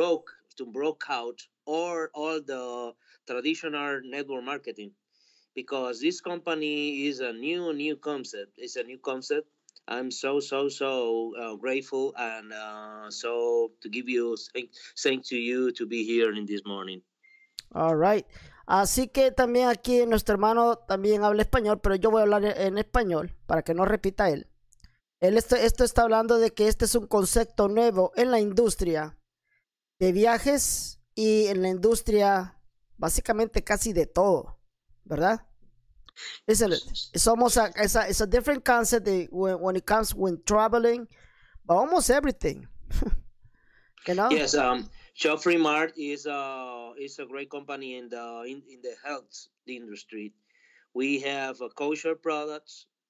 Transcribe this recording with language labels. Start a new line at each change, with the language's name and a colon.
English: This company is going to break out all the traditional network marketing, because this company is a new concept. It's a new concept. I'm so grateful and so to give you thanks to you to be here in this morning. All right.
Spanish: Así que también aquí nuestro hermano también habla español, pero yo voy a hablar en español para que no repita él. Esto está hablando de que este es un concepto nuevo en la industria de viajes y en la industria básicamente casi de todo, ¿verdad?
English: It's a different concept when it comes when traveling, but almost everything. You know? Yes, Shop Free Mart is a great company in the health industry. We have a kosher products.